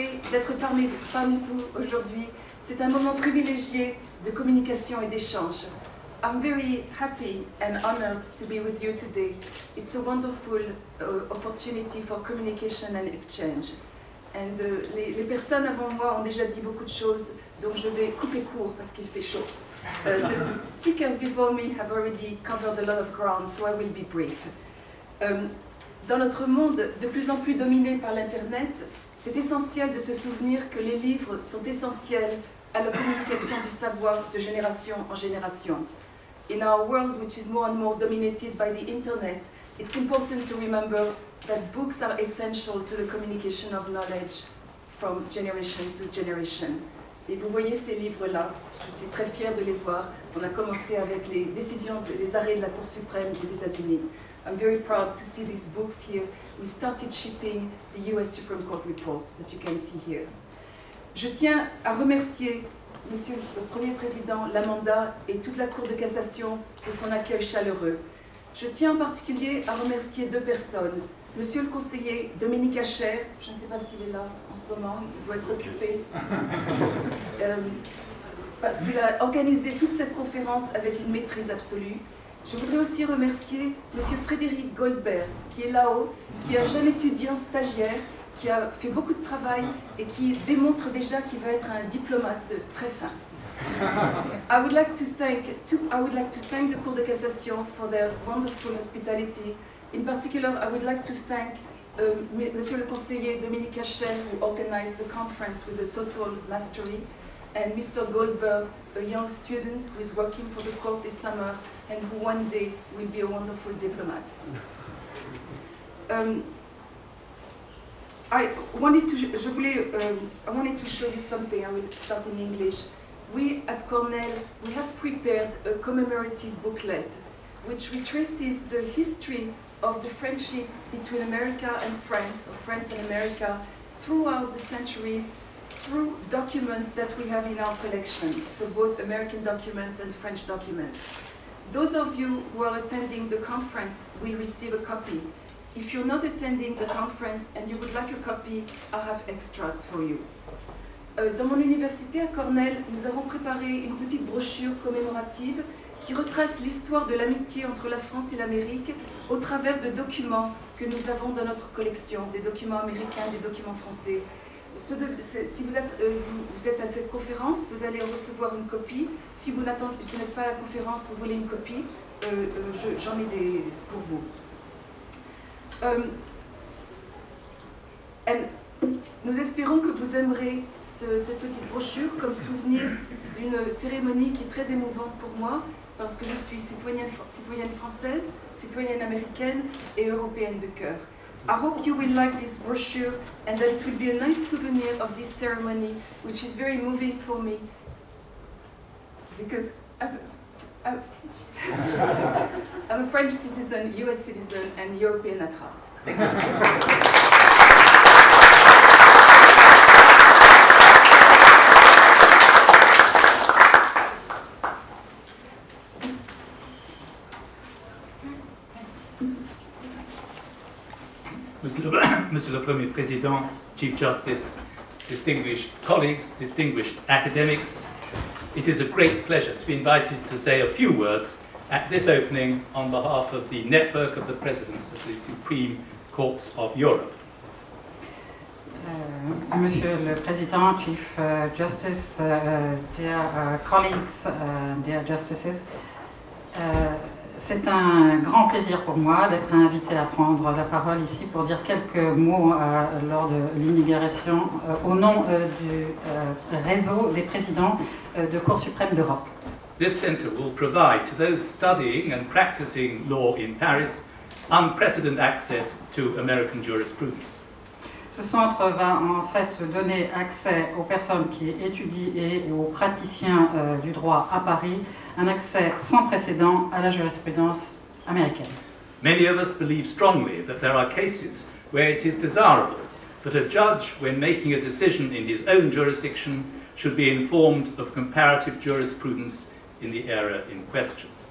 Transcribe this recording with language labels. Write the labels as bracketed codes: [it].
[fr] D'être parmi vous aujourd'hui, c'est un moment privilégié de communication et d'échange. [en] I'm very happy and honored to be with you today. It's a wonderful opportunity for communication and exchange. [fr] And les personnes avant moi ont déjà dit beaucoup de choses, donc je vais couper court parce qu'il fait chaud. [en] The speakers before me have already covered a lot of ground, so I will be brief. [fr] Dans notre monde de plus en plus dominé par l'Internet, c'est essentiel de se souvenir que les livres sont essentiels à la communication du savoir de génération en génération. [en] In our world, which is more and more dominated by the Internet, it's important to remember that books are essential to the communication of knowledge from generation to generation. [fr] Et vous voyez ces livres-là, je suis très fière de les voir. On a commencé avec les décisions, les arrêts de la Cour suprême des États-Unis. [en] I'm very proud to see these books here. We started shipping the US Supreme Court reports that you can see here. [fr] Je tiens à remercier Monsieur le Premier Président Lamanda et toute la Cour de cassation de son accueil chaleureux. Je tiens en particulier à remercier deux personnes. Monsieur le conseiller Dominique Acher, je ne sais pas s'il est là en ce moment, il doit être occupé. Parce qu'il a organisé toute cette conférence avec une maîtrise absolue. Je voudrais aussi remercier M. Frédéric Goldberg, qui est là-haut, qui est un jeune étudiant stagiaire, qui a fait beaucoup de travail et qui démontre déjà qu'il va être un diplomate très fin. [en] I would like to thank the Cour de Cassation for their wonderful hospitality. In particular, I would like to thank Monsieur le conseiller Dominique Achel, who organized the conference with a total mastery, and Mr. Goldberg, a young student who is working for the court this summer, and who one day will be a wonderful diplomat. I wanted to show you something. I will start in English. We at Cornell, we have prepared a commemorative booklet which retraces the history of the friendship between America and France, or France and America, throughout the centuries, through documents that we have in our collection, so both American documents and French documents. Those of you who are attending the conference will receive a copy. If you're not attending the conference and you would like a copy, I have extras for you. [fr] Dans mon université à Cornell, nous avons préparé une petite brochure commémorative qui retrace l'histoire de l'amitié entre la France et l'Amérique au travers de documents que nous avons dans notre collection, des documents américains, des documents français. Si vous êtes à cette conférence, vous allez recevoir une copie. Si vous n'êtes pas à la conférence, vous voulez une copie, j'en ai des pour vous. Nous espérons que vous aimerez cette petite brochure comme souvenir d'une cérémonie qui est très émouvante pour moi, parce que je suis citoyenne française, citoyenne américaine et européenne de cœur. [en] I hope you will like this brochure and that it will be a nice souvenir of this ceremony, which is very moving for me. Because I'm a French citizen, US citizen, and European at heart. Thank you. [fr] Monsieur le Premier Président, [en] Chief Justice, distinguished colleagues, distinguished academics, it is a great pleasure to be invited to say a few words at this opening on behalf of the Network of the Presidents of the Supreme Courts of Europe. [fr] Monsieur le Président, [en] Chief Justice, dear colleagues, dear justices, [fr] c'est un grand plaisir pour moi d'être invité à prendre la parole ici pour dire quelques mots lors de l'inauguration au nom du réseau des présidents de Cour suprême d'Europe. [en] This center will provide to those studying and practicing law in Paris unprecedented access to American jurisprudence. [fr] Ce centre va en fait donner accès aux personnes qui étudient et aux praticiens du droit à Paris un accès sans précédent à la jurisprudence américaine. [en] Many of us believe strongly that there are cases where it is desirable that a judge, when making a decision in his own jurisdiction, should be informed of comparative jurisprudence in the area in question.